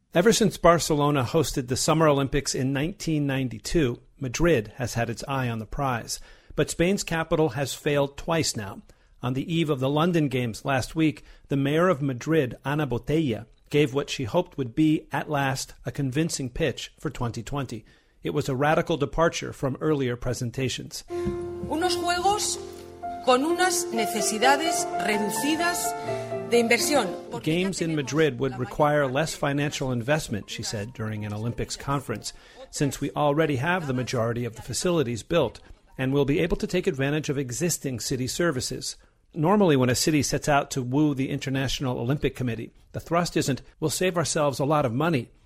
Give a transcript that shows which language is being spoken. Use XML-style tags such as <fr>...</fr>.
<en>Ever since Barcelona hosted the Summer Olympics in 1992, Madrid has had its eye on the prize. But Spain's capital has failed twice now. On the eve of the London Games last week, the mayor of Madrid, Ana Botella, gave what she hoped would be, at last, a convincing pitch for 2020. It was a radical departure from earlier presentations.</en> <es>Unos juegos con unas necesidades reducidas de inversión.</es> <en>Games in Madrid would require less financial investment, she said during an Olympics conference, since we already have the majority of the facilities built and will be able to take advantage of existing city services. Normally, when a city sets out to woo the International Olympic Committee, the thrust isn't, we'll save ourselves a lot of money.</en>